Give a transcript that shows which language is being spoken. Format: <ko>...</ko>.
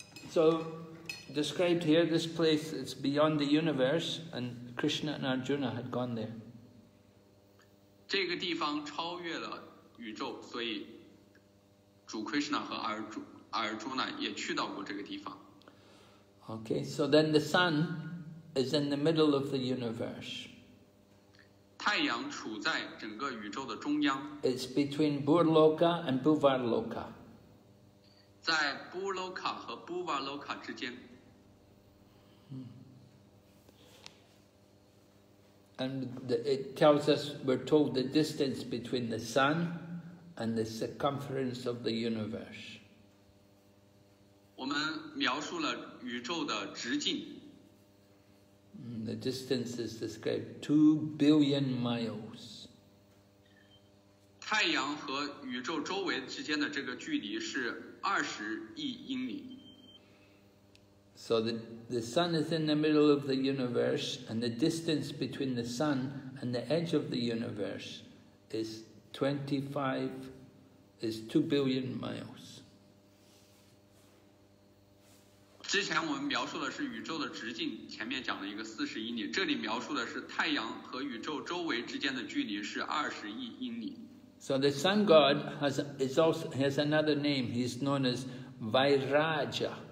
<en>So, described here, this place is beyond the universe, and Krishna and Arjuna had gone there.</en> <zh>这个地方超越了宇宙，所以主 Krishna 和阿尔朱纳也去到过这个地方。</zh> <en>Okay, so then the sun is in the middle of the universe.</en> <zh>太阳处在整个宇宙的中央。</zh> <en>It's between Bhurloka and Bhuvarloka.</en> <zh>在布罗卡和布瓦罗卡之间。</zh> <en>And it tells us, we're told the distance between the sun and the circumference of the universe.</en> <zh>我们描述了宇宙的直径。</zh> <en>The distance is described 2 billion miles.</en> <zh>太阳和宇宙周围之间的这个距离是20亿英里。</zh> <en>So the sun is in the middle of the universe, and the distance between the sun and the edge of the universe is 2 billion miles.</en> <zh>之前我们描述的是宇宙的直径，前面讲了一个40英里，这里描述的是太阳和宇宙周围之间的距离是20亿英里。</zh> <en>So the sun god has another name. He's known as Vairaja.</en>